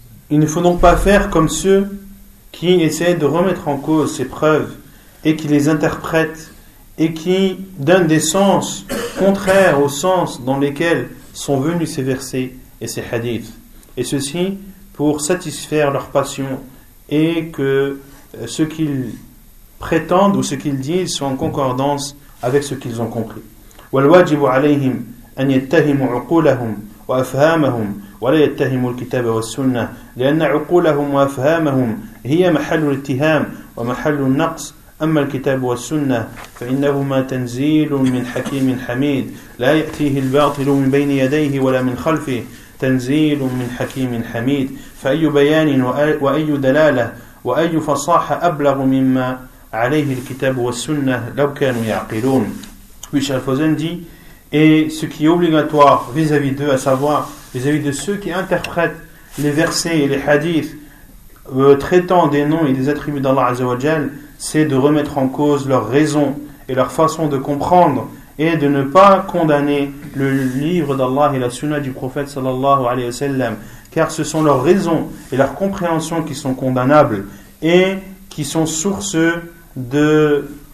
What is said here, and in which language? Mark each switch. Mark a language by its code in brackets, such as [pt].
[fr] Il ne faut donc pas faire comme ceux qui essaient de remettre en cause ces preuves et qui les interprète et qui donne des sens contraires aux sens dans lesquels sont venus ces versets et ces hadiths, et ceci pour satisfaire leur passion et que ce qu'ils prétendent ou ce qu'ils disent soit en concordance avec ce qu'ils ont compris. [ar] والواجب عليهم أن يتهموا عقولهم وأفهامهم ولا يتهموا الكتاب والسنة لأن عقولهم وأفهامهم هي محل الاتهام ومحل النقص. أما الكتاب والسنة فإنهما تنزيل من حكيم حميد لا يأتيه الباطل من بين يديه ولا من خلفه تنزيل من حكيم حميد فأي بيان وأي دلالة وأي فصاحة أبلغ مما عليه الكتاب والسنة لو كانوا يعقلون. [fr] Cheikh Al-Fawzan dit, et ce qui est obligatoire vis-à-vis d'eux, à savoir vis-à-vis de ceux qui interprètent les versets et les hadiths traitant des noms et des attributs d'Allah Azzawajal, c'est de remettre en cause leur raison et leur façon de comprendre et de ne pas condamner le livre d'Allah et la sunna du prophète sallallahu alayhi wa sallam, car ce sont leurs raisons et leur compréhension qui sont condamnables et qui sont source de